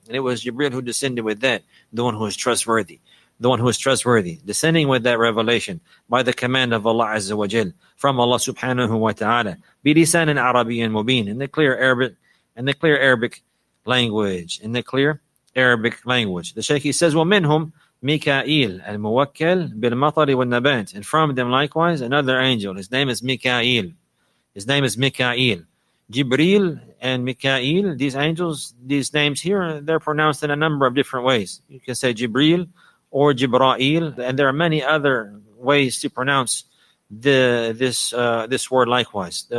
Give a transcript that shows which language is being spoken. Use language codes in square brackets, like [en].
[en] And it was Jibreel who descended with that, the one who is trustworthy. The one who is trustworthy, descending with that revelation by the command of Allah azza wa jal, from Allah subhanahu wa ta'ala, [ar] bilisanin arabiyyin mubin, [en] in the clear Arabic, in the clear Arabic language, in the clear Arabic language. The Shaykh, he says, [ar] وَمِنْهُمْ مِكَائِيلُ الْمُوَكَّلُ بِالْمَطَرِ وَالنَّبَاتِ. [en] And from them likewise, another angel. His name is Mikael. His name is Mikael. Jibreel and Mikael, these angels, these names here, they're pronounced in a number of different ways. You can say Jibreel or Jibra'il. And there are many other ways to pronounce this word likewise.